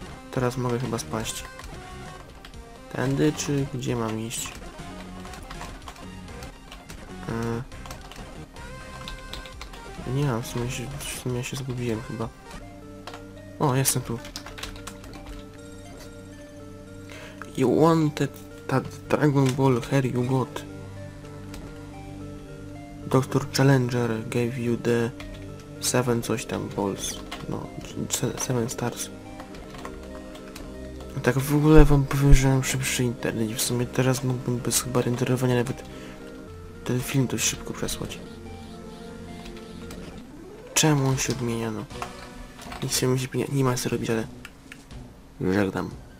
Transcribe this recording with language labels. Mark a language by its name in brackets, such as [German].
[Polish] Teraz mogę chyba spaść. Tędy, czy gdzie mam iść? Nie mam, w sumie się zgubiłem chyba. O, jestem tu. [English] You wanted that Dragon Ball hair you got. Dr. Challenger gave you the 7 [Polish] coś tam [English] balls. No, 7 stars. [Polish] Tak w ogóle wam powiem, że mam szybszy internet i w sumie teraz mógłbym bez chyba renderowania nawet ten film dość szybko przesłać. Czemu on się odmienia, no? Nic się nie ma co robić, ale... żegnam.